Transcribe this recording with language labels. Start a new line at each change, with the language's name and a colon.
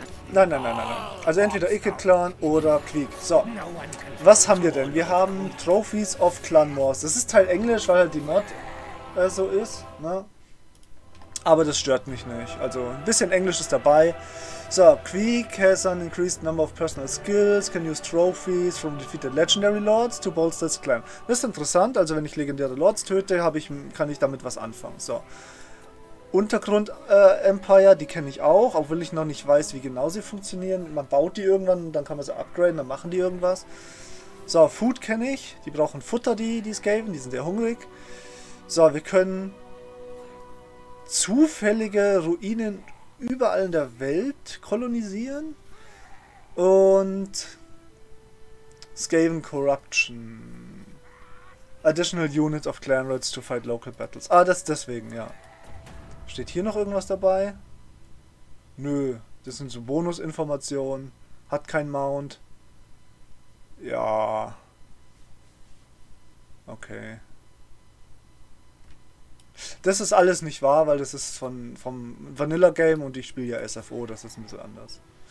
German: Nein. Also entweder Ikkid Clan oder Krieg. So, was haben wir denn? Wir haben Trophies of Clan Moors. Das ist Teil Englisch, weil halt die Mod so ist, ne? Aber das stört mich nicht. Also ein bisschen Englisch ist dabei.
English: So, Krieg has an increased number of personal skills, can use trophies from defeated legendary lords to bolster his clan.
German: Das ist interessant. Also wenn ich legendäre Lords töte, kann ich damit was anfangen. So. Untergrund Empire, die kenne ich auch, obwohl ich noch nicht weiß, wie genau sie funktionieren. Man baut die irgendwann und dann kann man sie upgraden, dann machen die irgendwas. So, Food kenne ich. Die brauchen Futter, die Skaven, die sind sehr hungrig. So, wir können zufällige Ruinen überall in der Welt kolonisieren. Und Skaven Corruption.
English: Additional units of clan raids to fight local battles.
German: Ah, das ist deswegen, ja. Steht hier noch irgendwas dabei? Nö, das sind so Bonusinformationen. Hat kein Mount. Ja. Okay. Das ist alles nicht wahr, weil das ist vom Vanilla Game und ich spiele ja SFO, das ist ein bisschen anders.